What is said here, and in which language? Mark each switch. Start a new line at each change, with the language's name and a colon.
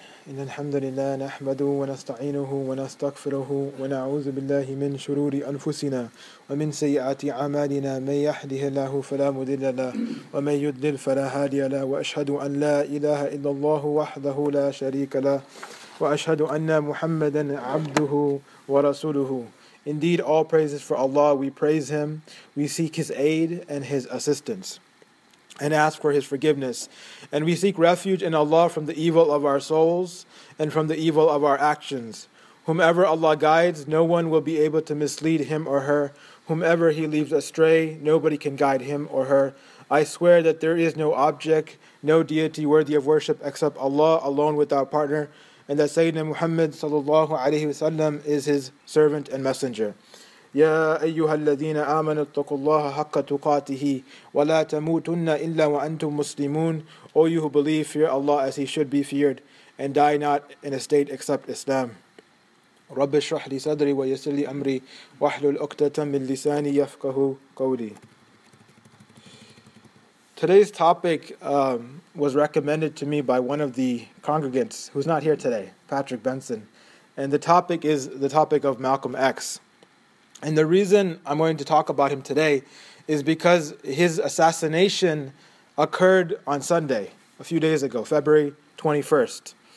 Arabic: إن الحمد لله نحمده ونستعينه ونستغفره ونعوذ بالله من شرور أنفسنا ومن سيئات أعمالنا من يهده الله فلا مضل له ومن يضلل فلا هادي له وأشهد أن لا إله إلا الله وحده لا شريك له وأشهد أن محمدا عبده ورسوله.
English: Indeed, all praise is for Allah. We praise Him. We seek His aid and His assistance and ask for His forgiveness. And we seek refuge in Allah from the evil of our souls and from the evil of our actions. Whomever Allah guides, no one will be able to mislead him or her. Whomever He leaves astray, nobody can guide him or her. I swear that there is no object, no deity worthy of worship except Allah alone without partner, and that Sayyidina Muhammad sallallahu alayhi wa sallam is His servant and messenger.
Arabic: يا أيها الذين آمنوا اتقوا الله حق تقاته ولا تموتن إلا وأنتم مسلمون.
English: O you who believe, fear Allah as He should be feared, and die not in a state except Islam.
Arabic: رب اشرح لي صدري ويسر لي أمري واحلل عقدة من لساني يفقه قولي.
English: Today's topic was recommended to me by one of the congregants who's not here today, Patrick Benson. And the topic is the topic of Malcolm X. And the reason I'm going to talk about him today is because his assassination occurred on Sunday, a few days ago, February 21st.